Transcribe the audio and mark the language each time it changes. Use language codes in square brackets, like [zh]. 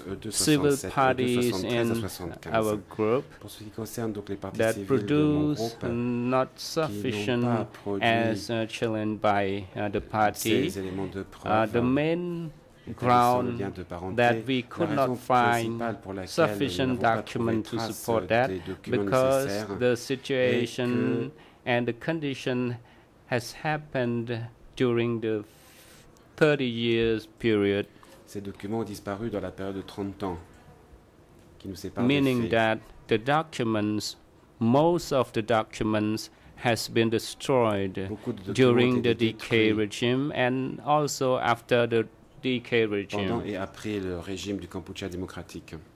[en] civil parties in our group that produce not sufficient as challenged by the party, the main ground that we could not find sufficient document to support that because the situation and the condition has happened during the 30 years period. [fr] Ces documents ont disparu dans la période de 30 ans qui nous sépare. [en] Meaning that the documents, most of the documents, has been destroyed during the DK regime and also after the DK regime. [fr] Pendant et après le régime du Cambodge démocratique.